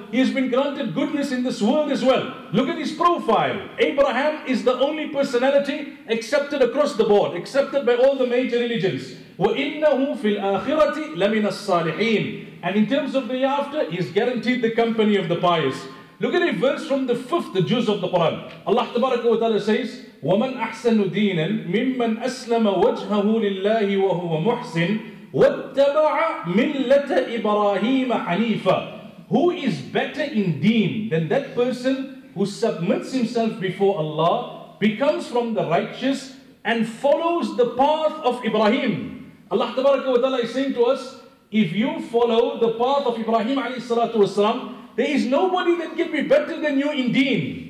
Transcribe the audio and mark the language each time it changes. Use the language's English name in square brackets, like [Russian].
[English] He has been granted goodness in this world as well. Look at his profile. Abraham is the only personality accepted across the board, accepted by all the major religions. [Arabic] Wa innahu fil akhirati lamina as-salihin. [English] And in terms of the after, he is guaranteed the company of the pious. Look at a verse from the fifth juz of the Quran. [Arabic] Allah tabaraka wa ta'ala says, وَمَنْ أَحْسَنُ دِينًا مِمَّنْ أَسْلَمَ وَجْهَهُ لِلَّهِ وَهُوَ مُحْسِنٌ وَاتَّبَعَ مِلَّةَ إِبْرَاهِيمَ حَنِيفًا. [English] Who is better in deen than that person who submits himself before Allah, becomes from the righteous, and follows the path of Ibrahim? Allah tabaraka wa ta'ala is saying to us, if you follow the path of Ibrahim alayhi salatu wasalam, there is nobody that can be better than you in deen.